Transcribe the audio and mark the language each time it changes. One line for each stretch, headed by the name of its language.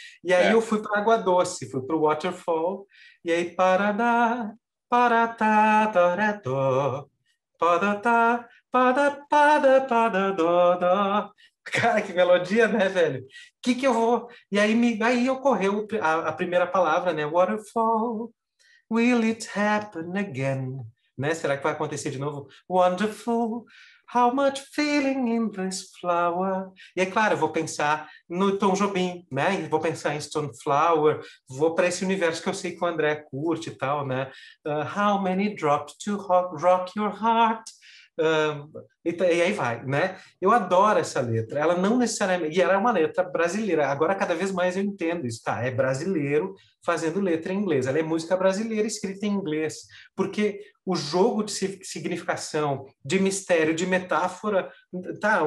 Portuguese: E aí eu fui para Água Doce, fui para o Waterfall. E aí parada, paratá, taretó, padatá, padapada, padadodó. Cara, que melodia, né, velho? Que eu vou... E aí, aí ocorreu a primeira palavra, né?
English: Waterfall, will it happen again?
Portuguese: Né? Será que vai acontecer de novo?
English: Wonderful, how much feeling in this flower?
Portuguese: E é claro, eu vou pensar no Tom Jobim, né? E vou pensar em Stone Flower, vou para esse universo que eu sei que o André curte e tal, né?
English: How many drops to rock your heart?
Portuguese: E aí vai, né? Eu adoro essa letra, ela não necessariamente... E era uma letra brasileira, agora cada vez mais eu entendo isso, tá? É brasileiro fazendo letra em inglês, ela é música brasileira escrita em inglês, porque o jogo de significação, de mistério, de metáfora, tá?